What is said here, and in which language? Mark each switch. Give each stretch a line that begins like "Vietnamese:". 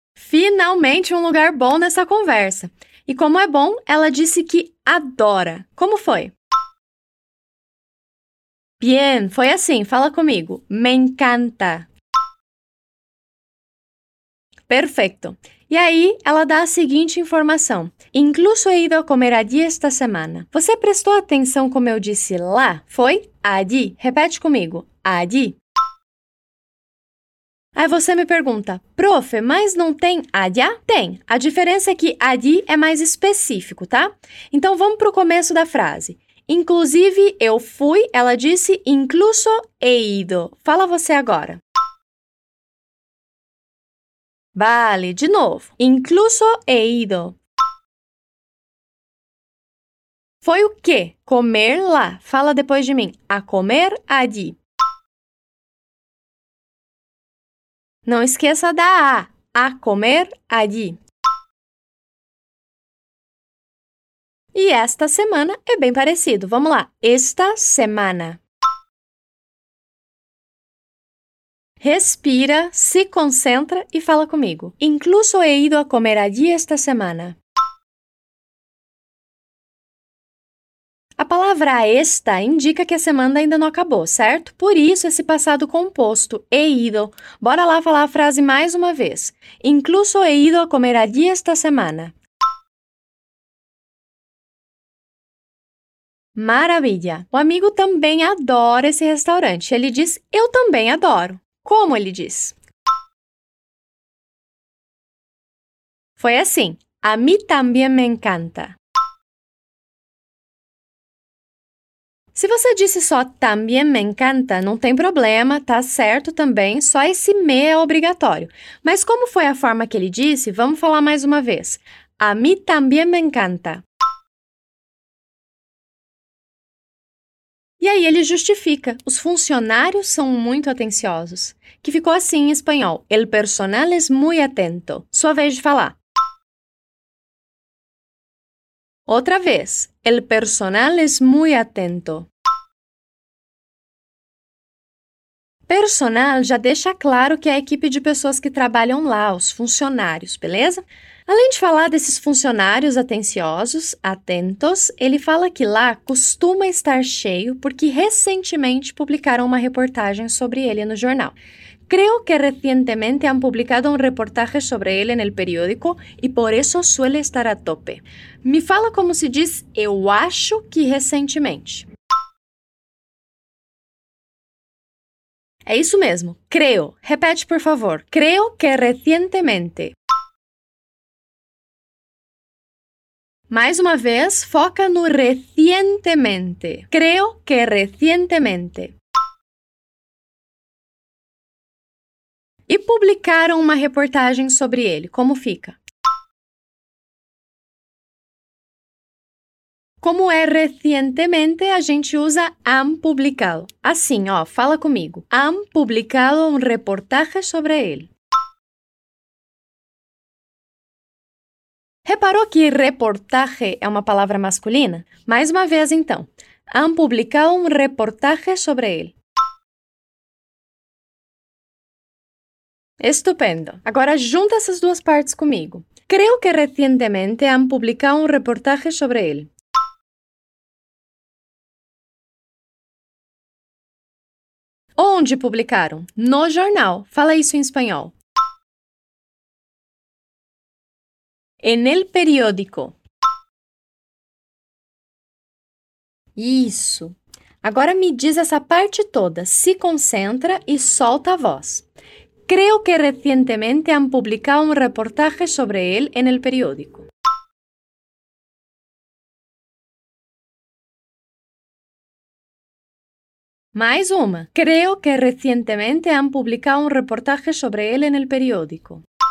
Portuguese: Finalmente um lugar bom nessa conversa. E como é bom, ela disse que adora. Como foi? Bien, foi assim, fala comigo.
Spanish: Me encanta.
Portuguese: Perfeito. E aí, ela dá a seguinte informação.
Spanish: Incluso he ido a comer allí esta semana.
Portuguese: Você prestou atenção como eu disse lá? Foi allí. Repete comigo. Allí. Aí você me pergunta, profe, mas não tem allá? Tem. A diferença é que allí é mais específico, tá? Então, vamos para o começo da frase. Inclusive, eu fui, ela disse,
Spanish: incluso he ido.
Portuguese: Fala você agora.
Spanish: Vale,
Portuguese: de novo.
Spanish: Incluso he ido.
Portuguese: Foi o quê? Comer lá. Fala depois de mim.
Spanish: A comer allí.
Portuguese: Não esqueça da A.
Spanish: A comer allí.
Portuguese: E esta semana é bem parecido. Vamos lá. Esta semana. Respira, se concentra e fala comigo.
Spanish: Incluso he ido a comer allí esta semana.
Portuguese: A palavra esta indica que a semana ainda não acabou, certo? Por isso, esse passado composto, he ido. Bora lá falar a frase mais uma vez.
Spanish: Incluso he ido a comer allí esta semana.
Portuguese: Maravilha! O amigo também adora esse restaurante. Ele diz, eu também adoro. Como ele diz? Foi assim.
Spanish: A mí también me encanta.
Portuguese: Se você disse só
Spanish: también me encanta,
Portuguese: não tem problema, tá certo também. Só esse me é obrigatório. Mas como foi a forma que ele disse, vamos falar mais uma vez.
Spanish: A mí también me encanta.
Portuguese: E aí ele justifica, os funcionários são muito atenciosos. Que ficou assim em espanhol,
Spanish: el personal es muy atento.
Portuguese: Sua vez de falar. Outra vez,
Spanish: el personal es muy atento.
Portuguese: Personal já deixa claro que é a equipe de pessoas que trabalham lá, os funcionários, beleza? Além de falar desses funcionários atenciosos, atentos, ele fala que lá costuma estar cheio porque recentemente publicaram uma reportagem sobre ele no jornal.
Spanish: Creo que recientemente han publicado un reportaje sobre él en el periódico y por eso suele estar a tope.
Portuguese: Me fala como se diz eu acho que recentemente. É isso mesmo. Creo. Repete, por favor.
Spanish: Creo que recientemente.
Portuguese: Mais uma vez, foca no recientemente.
Spanish: Creo que recientemente.
Portuguese: E publicaram uma reportagem sobre ele. Como fica? Como é recientemente, a gente usa han publicado. Assim, ó, fala comigo.
Spanish: Han publicado um reportaje
Portuguese: sobre ele. Reparou que reportaje é uma palavra masculina? Mais uma vez, então.
Spanish: Han publicado um reportaje sobre ele.
Portuguese: Estupendo. Agora, junta essas duas partes comigo.
Spanish: Creio que recientemente han publicado um reportaje sobre ele.
Portuguese: Onde publicaram? No jornal. Fala isso em espanhol.
Spanish: En el periódico.
Portuguese: Isso. Agora me diz essa parte toda. Se concentra e solta a voz.
Spanish: Creo que recientemente han publicado un reportaje sobre él en el periódico.
Portuguese: Mais uma.
Spanish: Creo que recientemente han publicado un reportaje sobre él en el periódico.